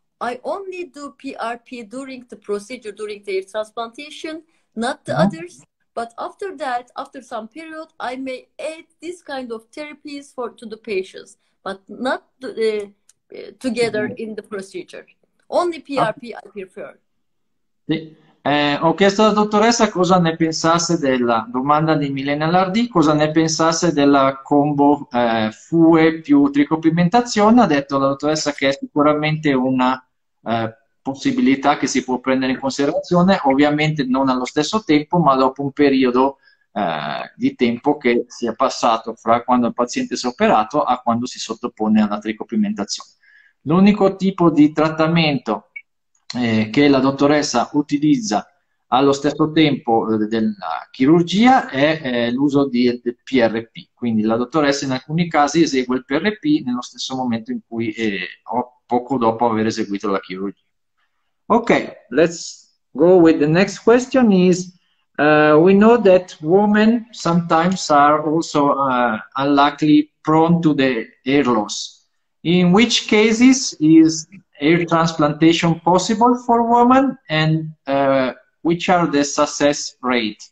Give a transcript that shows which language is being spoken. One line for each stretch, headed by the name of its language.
English: I only do PRP during the procedure, during the transplantation, not the others. But after that, after some period, I may add this kind of therapies for to the patients, but not together in the procedure. Only PRP I prefer.
Italian: Sì. Ho chiesto alla dottoressa cosa ne pensasse della domanda di Milena Lardì, cosa ne pensasse della combo FUE più tricopimentazione. Ha detto la dottoressa che è sicuramente una possibilità che si può prendere in considerazione, ovviamente non allo stesso tempo, ma dopo un periodo di tempo che sia passato fra quando il paziente si è operato a quando si sottopone alla tricopimentazione. L'unico tipo di trattamento che la dottoressa utilizza allo stesso tempo della chirurgia è l'uso di PRP. Quindi la dottoressa in alcuni casi esegue il PRP nello stesso momento in cui poco dopo aver eseguito la chirurgia.
English: Ok, let's go with the next question is we know that women sometimes are also unlikely prone to the hair loss. In which cases is hair transplantation possible for women, and which are the success rate?